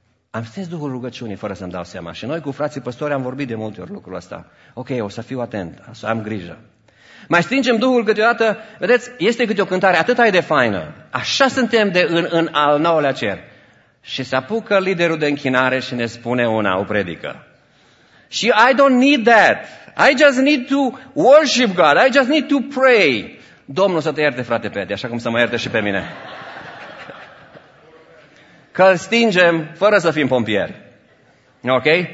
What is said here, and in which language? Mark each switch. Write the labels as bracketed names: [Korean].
[Romanian] Am stins Duhul rugăciunii fără să-mi dau seama. Și noi cu frații păstori am vorbit de multe ori lucrul ăsta. Ok, o să fiu atent, o să am grijă. Mai stingem Duhul câteodată, vedeți, este câte o cântare atât de faină. Așa suntem de în al nouălea cer. Și se apucă liderul de închinare și ne spune una, o predică. [English] Și I don't need that. I just need to worship God. I just need to pray. [Romanian] Domnul să te ierte, frate Pedi, așa cum să mă ierte și pe mine. Că îl stingem fără să fim pompieri. Ok?